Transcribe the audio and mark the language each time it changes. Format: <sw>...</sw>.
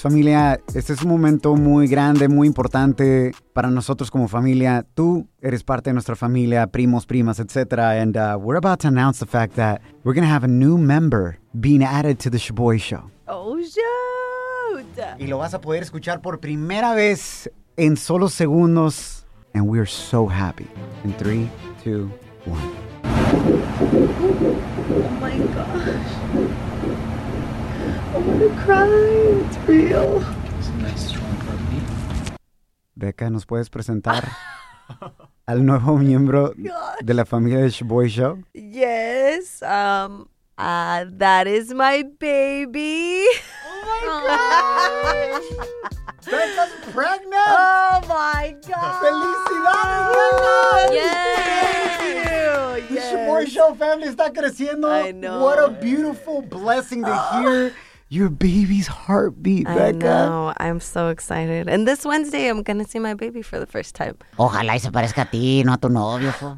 <es>Familia, este es un momento muy grande, muy importante para nosotros como familia. Tú eres parte de nuestra familia, primos, primas, etc.</es> <en>And we're about to announce the fact that we're going to have a new member being added to the Shaboy Show. Oh, shoot!</en> <es>Y lo vas a poder escuchar por primera vez en solo segundos.</es> <en>And we are so happy. In 3, 2, 1. Oh, my gosh. I'm gonna cry. It's real.</en> <es>Becca, ¿nos puedes presentar al nuevo miembro de la familia de Shaboy Show?</es> <en>Yes. That is my baby. Oh my God! Becca's pregnant. Oh my God!</en> <es>Felicidades, Becca.</es> <en>Yes. Thank you. The Shaboy Show family</en> <es>está creciendo.</es> <en>I know. What a beautiful blessing to hear. Your baby's heartbeat, Becca. I know. I'm so excited. And this Wednesday, I'm going to see my baby for the first time.</en> <es>Ojalá y se parezca a ti, no a tu novio.</es>